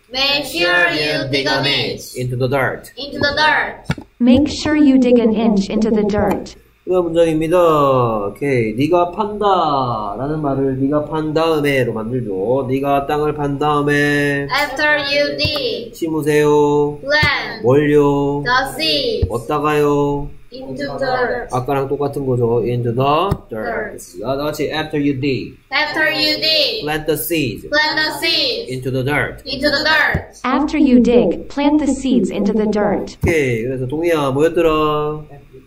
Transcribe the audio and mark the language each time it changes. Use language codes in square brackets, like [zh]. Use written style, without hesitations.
[en] Make sure you dig an inch into the dirt. [ko] 그 다음 문장입니다. 오케이. 네가 판다 라는 말을 네가 판 다음에 로 만들죠. 네가 땅을 판 다음에 [en] After you dig [ko] 심으세요. [en] Plant [ko] 뭘요? [en] The seeds [ko] 어디다가요? [en] Into the dirt. [ko] 아까랑 똑같은 거죠. [en] Into the dirt. [ko] 나같이 [en] After you dig Plant the seeds Into the dirt. Into the dirt. After you dig, plant the seeds into the dirt. [ko] 오케이. 그래서 동희야 뭐였더라?